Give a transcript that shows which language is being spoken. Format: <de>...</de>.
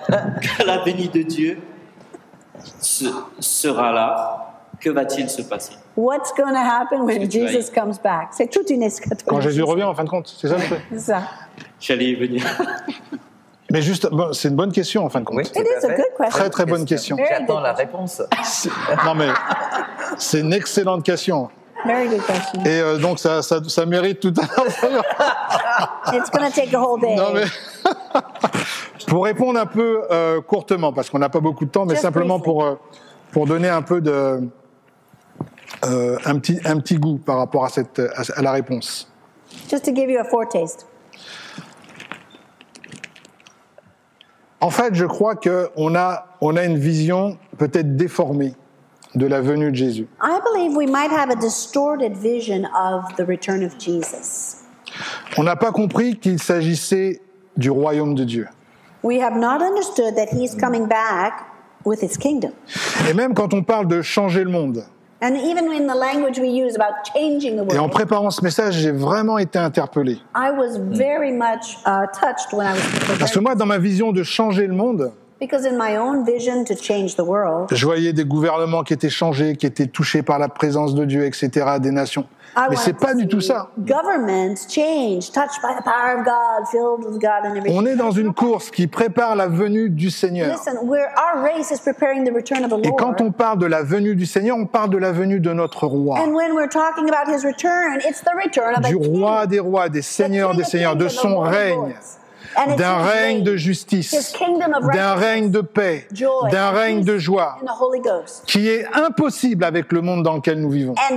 <fr>Quand la venue de Dieu sera là, que va-t-il se passer?</fr> <en>What's going to happen when Jesus comes back?</en> <fr>C'est toute une eschatologie. Quand Jésus revient, en fin de compte, c'est ça le truc. C'est ça. J'allais y venir. Mais juste, bon, c'est une bonne question, en fin de compte.</fr> <en>Oui, it is a good question.</en> <fr>Très, très bonne question. J'attends la réponse. Non, mais c'est une excellente question.</fr> <en>Very good question.</en> <fr>Et donc, ça mérite tout un temps.</fr> <en>It's going to take a whole day.</en> <fr>Non, mais... pour répondre un peu courtement, parce qu'on n'a pas beaucoup de temps, mais simplement pour donner un peu de... un petit goût par rapport à à la réponse.</fr> <en>Just to give you a foretaste.</en> <fr>En fait, je crois que on a une vision peut-être déformée de la venue de Jésus.</fr> <en>I believe we might have a distorted vision of the return of Jesus.</en> <fr>On n'a pas compris qu'il s'agissait du royaume de Dieu.</fr> <en>We have not understood that he's coming back with his kingdom.</en> <fr>Et même quand on parle de changer le monde.</fr> <en>And even in the language we use about changing the world.</en> <fr>Et en préparant ce message, j'ai vraiment été interpellé.</fr> <en>I was very much touched when I was preparing.</en> <fr>Parce que moi, dans ma vision de changer le monde,</fr> <en>because in my own vision to change the world,</en> <fr>je voyais des gouvernements qui étaient changés, qui étaient touchés par la présence de Dieu, etc., des nations. Mais c'est pas du tout ça.</fr> <en>Governments change, touched by the power of God, filled with God and everything.</en> <fr>On est dans une course qui prépare la venue du Seigneur.</fr> <en>Listen, our race is preparing the return of the Lord.</en> <fr>Et quand on parle de la venue du Seigneur, on parle de la venue de notre roi.</fr> <en>And when we're talking about his return, it's the return of</en> <fr>du roi des rois, des seigneurs des seigneurs, de son règne. D'un règne de justice, d'un règne de paix, d'un règne de joie qui est impossible avec le monde dans lequel nous vivons.</fr>